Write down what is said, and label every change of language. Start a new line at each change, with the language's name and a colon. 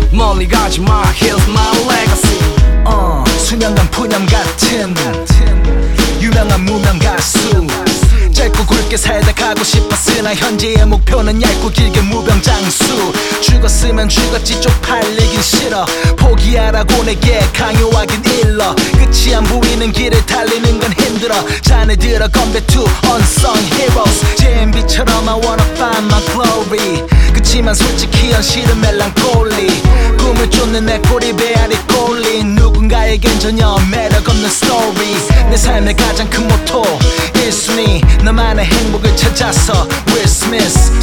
English: Only got my heels, my legacy.
Korean: 수년간 푸념 같은 유명한 무명 가수. 짧고 굵게 살다 가고 싶었으나 현재의 목표는 얇고 길게 무병장수. 죽었으면 죽었지 쪽팔리긴 싫어. 포기하라고 내게 강요하긴 일러. 끝이 안 보이는 길을 달리는 건 힘들어. 자네들아 건배
English: to unsung heroes.
Korean: JMB처럼
English: I wanna find my glory.
Korean: 그치만 솔직히 현실은 멜랑콜리. 꿈을 쫓는 내 꼬리 배알이 꼴린 누군가에겐 전혀 매력 없는 스토리. 내 삶의 가장 큰 모토 1순위 너만의 행복을 찾아서 Will Smith.